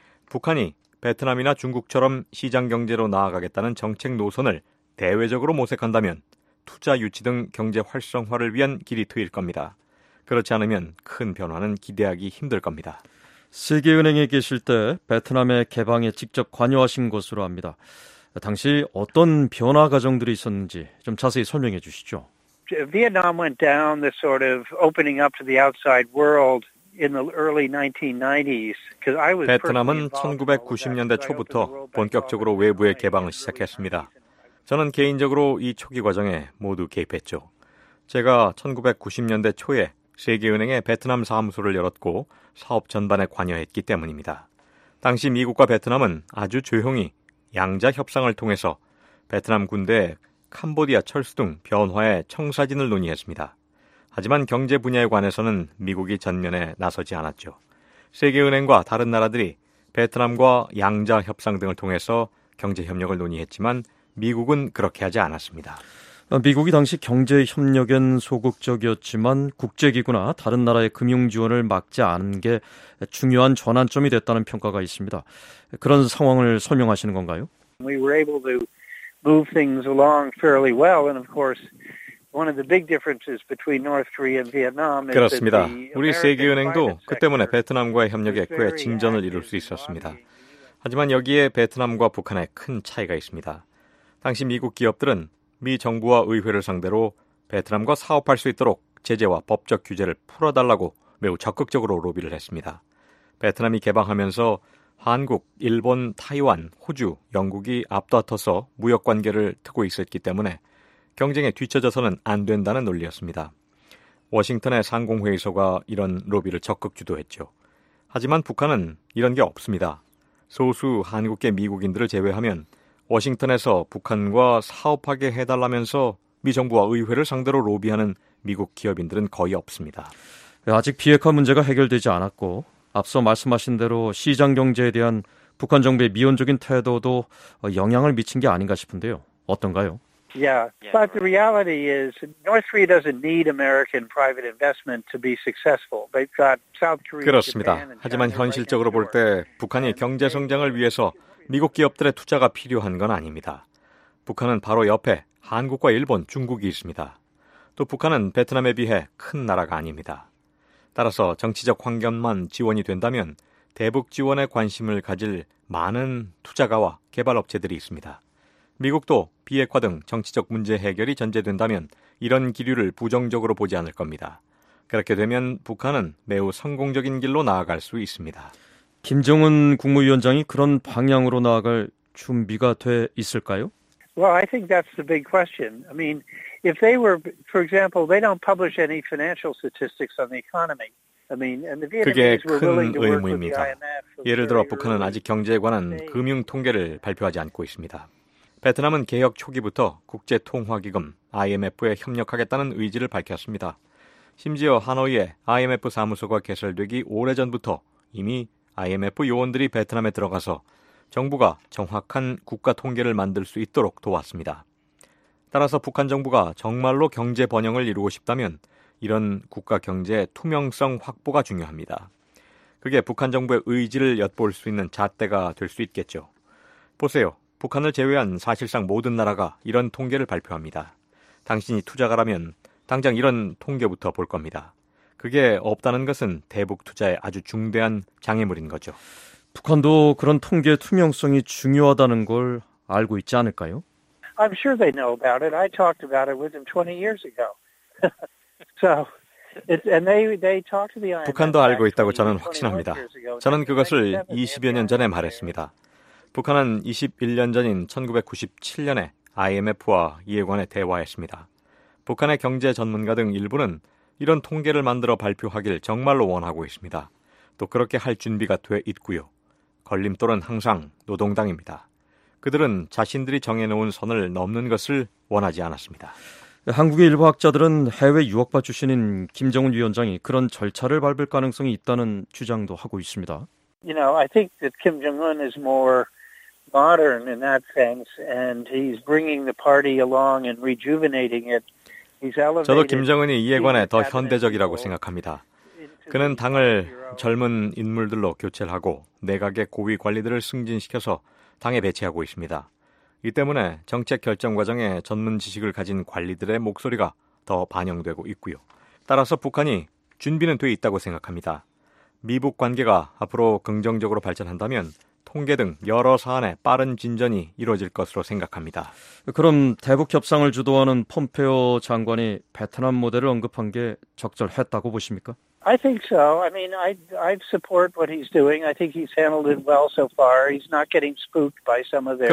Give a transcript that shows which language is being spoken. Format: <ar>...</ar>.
<ko>북한이 베트남이나 중국처럼 시장 경제로 나아가겠다는 정책 노선을 대외적으로 모색한다면 투자 유치 등 경제 활성화를 위한 길이 트일 겁니다. 그렇지 않으면 큰 변화는 기대하기 힘들 겁니다. 세계은행에 계실 때 베트남의 개방에 직접 관여하신 것으로 압니다. 당시 어떤 변화 과정들이 있었는지 좀 자세히 설명해 주시죠.</ko> <en>Vietnam went down the sort of opening up to the outside world in the early 1990s because I was</en> <ko>베트남은 1990년대 초부터 본격적으로 외부에 개방을 시작했습니다. 저는 개인적으로 이 초기 과정에 모두 개입했죠. 제가 1990년대 초에 세계은행의 베트남 사무소를 열었고 사업 전반에 관여했기 때문입니다. 당시 미국과 베트남은 아주 조용히 양자 협상을 통해서 베트남 군대 캄보디아 철수 등 변화의 청사진을 논의했습니다. 하지만 경제 분야에 관해서는 미국이 전면에 나서지 않았죠. 세계은행과 다른 나라들이 베트남과 양자 협상 등을 통해서 경제 협력을 논의했지만 미국은 그렇게 하지 않았습니다. 미국이 당시 경제 협력엔 소극적이었지만 국제기구나 다른 나라의 금융 지원을 막지 않은 게 중요한 전환점이 됐다는 평가가 있습니다. 그런 상황을 설명하시는 건가요?</ko> <en>We were able to move things along fairly well, and of course, one of the big differences between North Korea and Vietnam is</en> <ko>그렇습니다. 우리 세계은행도 그 때문에 베트남과의 협력에 꽤 진전을 이룰 수 있었습니다. 하지만 여기에 베트남과 북한의 큰 차이가 있습니다. 당시 미국 기업들은 미 정부와 의회를 상대로 베트남과 사업할 수 있도록 제재와 법적 규제를 풀어달라고 매우 적극적으로 로비를 했습니다. 베트남이 개방하면서 한국, 일본, 타이완, 호주, 영국이 앞다퉈서 무역관계를 트고 있었기 때문에 경쟁에 뒤처져서는 안 된다는 논리였습니다. 워싱턴의 상공회의소가 이런 로비를 적극 주도했죠. 하지만 북한은 이런 게 없습니다. 소수 한국계 미국인들을 제외하면 워싱턴에서 북한과 사업하게 해달라면서 미 정부와 의회를 상대로 로비하는 미국 기업인들은 거의 없습니다. 아직 비핵화 문제가 해결되지 않았고 앞서 말씀하신 대로 시장 경제에 대한 북한 정부의 미온적인 태도도 영향을 미친 게 아닌가 싶은데요. 어떤가요?</ko> <en>Yeah, but the reality is North Korea doesn't need American private investment to be successful. They've got South Korea.</en> <ko>그렇습니다. 하지만 현실적으로 볼 때 북한이 경제 성장을 위해서 미국 기업들의 투자가 필요한 건 아닙니다. 북한은 바로 옆에 한국과 일본, 중국이 있습니다. 또 북한은 베트남에 비해 큰 나라가 아닙니다. 따라서 정치적 환경만 지원이 된다면 대북 지원에 관심을 가질 많은 투자가와 개발업체들이 있습니다. 미국도 비핵화 등 정치적 문제 해결이 전제된다면 이런 기류를 부정적으로 보지 않을 겁니다. 그렇게 되면 북한은 매우 성공적인 길로 나아갈 수 있습니다. 김정은 국무위원장이 그런 방향으로 나아갈 준비가 돼 있을까요?</ko> <en>Well, I think that's the big question. I mean, if they were, for example, they don't publish any financial statistics on the economy. I mean, and the Vietnamese were willing to work with the IMF.</en> <ko>예를 들어 북한은 아직 경제에 관한 금융 통계를 발표하지 않고 있습니다. 베트남은 개혁 초기부터 국제통화기금 IMF에 협력하겠다는 의지를 밝혔습니다. 심지어 하노이에 IMF 사무소가 개설되기 오래전부터 이미 IMF 요원들이 베트남에 들어가서 정부가 정확한 국가 통계를 만들 수 있도록 도왔습니다. 따라서 북한 정부가 정말로 경제 번영을 이루고 싶다면 이런 국가 경제의 투명성 확보가 중요합니다. 그게 북한 정부의 의지를 엿볼 수 있는 잣대가 될 수 있겠죠. 보세요. 북한을 제외한 사실상 모든 나라가 이런 통계를 발표합니다. 당신이 투자가라면 당장 이런 통계부터 볼 겁니다. 그게 없다는 것은 대북 투자의 아주 중대한 장애물인 거죠. 북한도 그런 통계 투명성이 중요하다는 걸 알고 있지 않을까요?</ko> <en>I'm sure they know about it. I talked about it with them 20 years ago. So they talked to the IMF.</en> <ko>북한도 알고 있다고 저는 확신합니다. 저는 그것을 20여 년 전에 말했습니다. 북한은 21년 전인 1997년에 IMF와 이에 관해 대화했습니다. 북한의 경제 전문가 등 일부는 이런 통계를 만들어 발표하길 정말로 원하고 있습니다. 또 그렇게 할 준비가 돼 있고요. 걸림돌은 항상 노동당입니다. 그들은 자신들이 정해놓은 선을 넘는 것을 원하지 않았습니다. 한국의 일부 학자들은 해외 유학파 출신인 김정은 위원장이 그런 절차를 밟을 가능성이 있다는 주장도 하고 있습니다.</ko> <en>You know, I think that Kim Jong-un is more modern in that sense, and he's bringing the party along and rejuvenating it. He's elevated.</en> <ko>저도 김정은이 이에 관해 더 현대적이라고 생각합니다. 그는 당을 젊은 인물들로 교체하고 내각의 고위 관리들을 승진시켜서 당에 배치하고 있습니다. 이 때문에 정책 결정 과정에 전문 지식을 가진 관리들의 목소리가 더 반영되고 있고요. 따라서 북한이 준비는 돼 있다고 생각합니다. 미북 관계가 앞으로 긍정적으로 발전한다면 통계 등 여러 사안에 빠른 진전이 이루어질 것으로 생각합니다. 그럼 대북 협상을 주도하는 폼페오 장관이 베트남 모델을 언급한 게 적절했다고 보십니까?</ko> <en>I think so. I mean, I support what he's doing. I think he's handled it well so far. He's not getting spooked by some of their.</en>